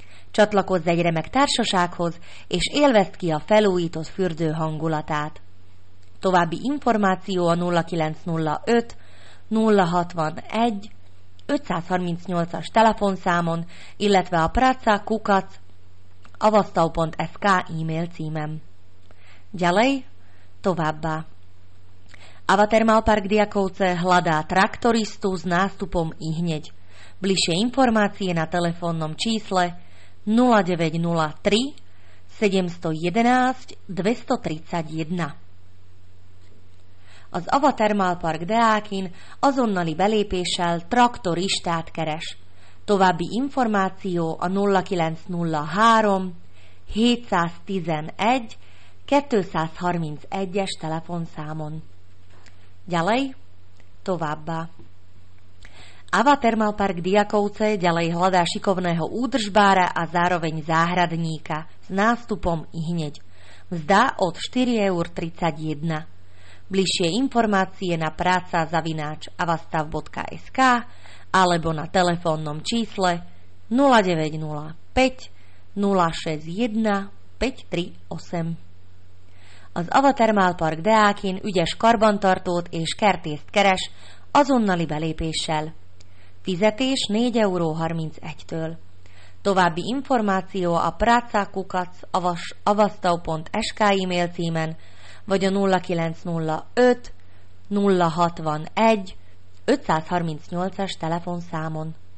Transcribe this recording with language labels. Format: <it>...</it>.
<hu>Csatlakozz egy remek társasághoz, és élvezd ki a felújított fürdő hangulatát. További információ a 0905 061 538-as telefonszámon, illetve a praca@avastau.sk e-mail címen.</hu> <sk>Ďalej,</sk> <hu>továbbá.</hu> <sk>Avatermal Park Diakovce hľadá traktoristu s nástupom ihneď. Bližšie informácie na telefónnom čísle 0903 711 231.</sk> <hu>Az Avatermal Park Deákin azonnali belépéssel traktoristát keres. További információ a 0903 711 231-es telefonszámon.</hu> <sk>Ďalej,</sk> <hu>továbbá.</hu> <sk>Avatermal Park Diakovce ďalej hľadá šikovného údržbára a zároveň záhradníka s nástupom ihneď. Mzda od 4,31 €. Bližšie informácie na praca@avastav.sk alebo na telefónnom čísle 0905 061 538.</sk> <hu>Az Avatermal Park Deákin ügyes karbantartót és kertészt keres azonnali belépéssel. Fizetés 4,31 €. További információ a praca@avastav.sk e-mail címen, vagy a 0905 061 538-as telefonszámon.</hu>